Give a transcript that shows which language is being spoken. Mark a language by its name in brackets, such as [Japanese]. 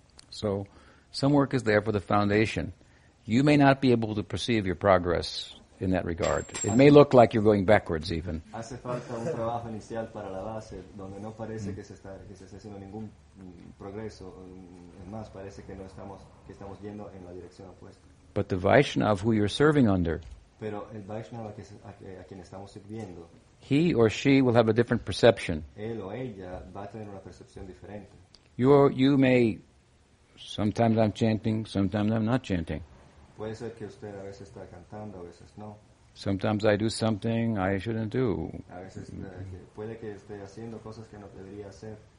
[English] So, some work is there for the foundation. You may not be able to perceive your progress in that regard. It may look like you're going backwards even. [Spanish] Hace falta un trabajo inicial para la base, donde no parece mm-hmm. que se está haciendo ningún progreso. Es más, parece que estamos yendo en la dirección opuesta. [English] But the Vaishnava who you're serving under, [Spanish] pero el Vaishnava a quien estamos sirviendo, [English] he or she will have a different perception. [Spanish] Él o ella va a tener una percepción diferente. [English] You may, sometimes I'm chanting, sometimes I'm not chanting. [Spanish] Puede ser que usted a veces está cantando, a veces no. [English] Sometimes I do something I shouldn't do. [Spanish] A veces puede que esté haciendo cosas que no debería hacer.